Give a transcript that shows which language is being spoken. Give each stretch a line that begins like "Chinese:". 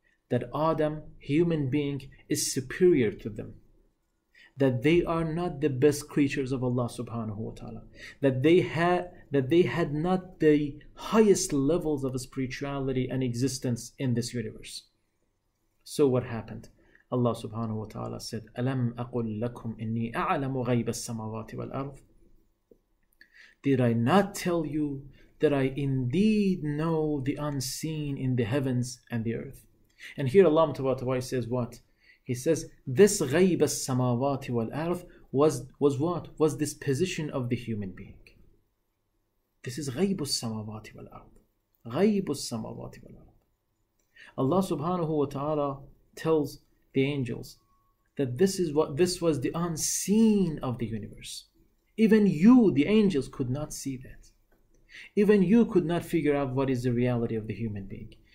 English: That Adam, human being, is superior to them. That they are not the best creatures of Allah subhanahu wa ta'ala. That they had not the highest levels of spirituality and existence in this universe. So what happened?
Arabic: Allah subhanahu wa ta'ala said, أَلَمْ أَقُلْ لَكُمْ إِنِّي أَعْلَمُ غَيْبَ السَّمَوَاتِ وَالْأَرْضِ.
English: Did I not tell you that I indeed know the unseen in the heavens and the earth? And here Allah Tabatabai says what? He says, this
Arabic: غيب السماوات والأرض
English: was what? Was this position of the human being. This is
Arabic: غيب السماوات والأرض. غيب السماوات والأرض.
English: Allah subhanahu wa ta'ala tells the angels that this was the unseen of the universe. Even you, the angels, could not see that. Even you could not figure out what is the reality of the human being.